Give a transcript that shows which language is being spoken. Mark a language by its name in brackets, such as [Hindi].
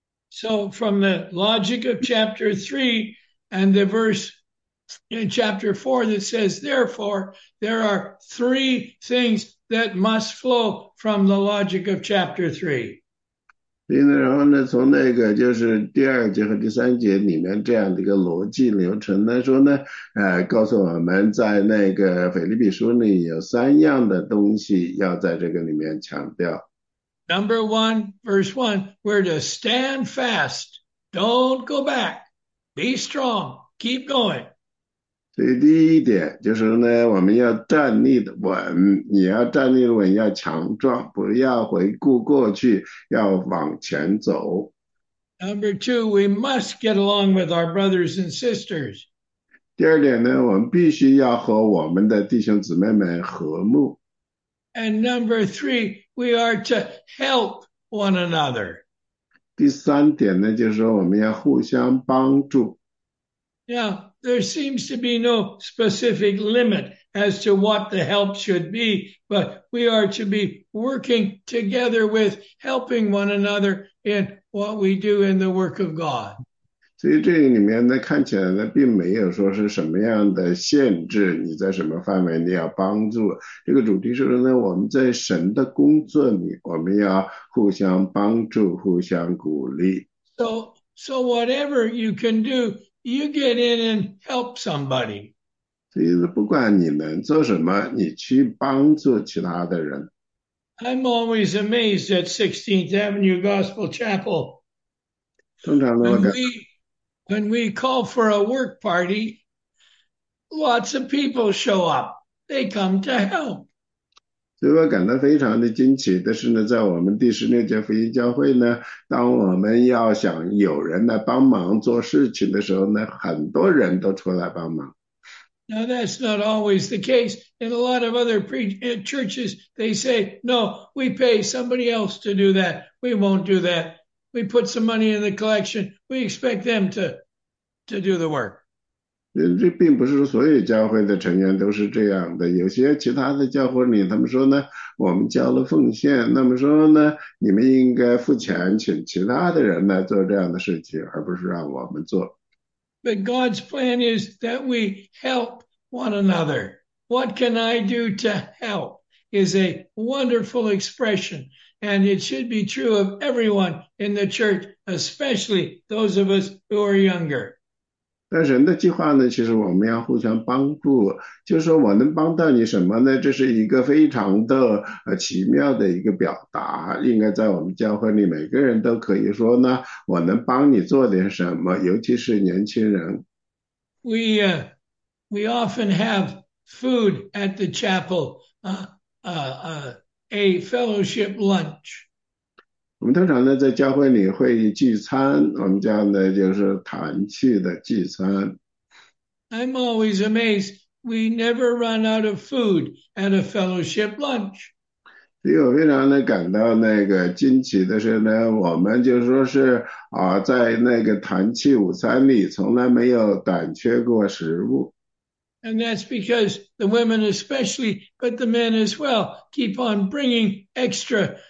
[English] So from the logic of chapter 3 and the verse in chapter 4 that says, therefore, there are three things that must flow from the logic of chapter 3. [Chinese] 然后呢，从那个就是第二节和第三节里面这样的一个逻辑流程来说呢，告诉我们在那个腓立比书里有三样的东西要在这个里面强调。 [English] Number one, verse one, we're to stand fast. Don't go back. Be strong. Keep going. [Chinese] 所以第一点就是呢，我们要站立的稳，你要站立的稳，要强壮，不要回顾过去，要往前走。 [English] Number two, we must get along with our brothers and sisters. [Chinese] 第二点呢，我们必须要和我们的弟兄姊妹们和睦。 [English] And number three, we are to help one another. [Chinese] 第三点呢，就是说我们要互相帮助。 [English] Now, there seems to be no specific limit as to what the help should be, but we are to be working together with helping one another in what we do in the work of God. [Chinese] 所以这里面呢，看起来呢，并没有说是什么样的限制，你在什么范围内要帮助。这个主题是说呢，我们在神的工作里，我们要互相帮助，互相鼓励。 [English] So whatever you can do, you get in and help somebody. [Chinese] 所以呢，不管你能做什么，你去帮助其他的人。 [English] I'm always amazed at 16th Avenue Gospel Chapel. [Chinese] 通常呢，我感觉。 [English] When we call for a work party, lots of people show up. They come to help. [Chinese] 所以我感到非常的惊奇的是呢，在我们第十六届福音教会呢，当我们要想有人来帮忙做事情的时候呢，很多人都出来帮忙。 [English] Now that's not always the case. In a lot of other churches, they say, no, we pay somebody else to do that. We won't do that. We put some money in the collection. We expect them to do the work. [Chinese] 这并不是所有教会的成员都是这样的。有些其他的教会里，他们说呢，我们交了奉献，那么说呢，你们应该付钱请其他的人来做这样的事情，而不是让我们做。 [English] But God's plan is that we help one another. What can I do to help? Is a wonderful expression. And it should be true of everyone in the church, especially those of us who are younger. [Chinese] 但神的计划呢，其实我们要互相帮助。就是说我能帮到你什么呢？这是一个非常的奇妙的一个表达。应该在我们教会里，每个人都可以说呢，我能帮你做点什么，尤其是年轻人。 [English] We often have food at the chapel. A fellowship lunch. [Chinese] 我们通常呢在教会里会聚餐，我们叫呢就是团聚的聚餐。 [English] I'm always amazed we never run out of food at a fellowship lunch. [Chinese] 所以我非常的感到那个惊奇的是呢，我们就说是在那个团聚午餐里从来没有短缺过食物。 [English] And that's because the women especially, but the men as well, keep on bringing extra.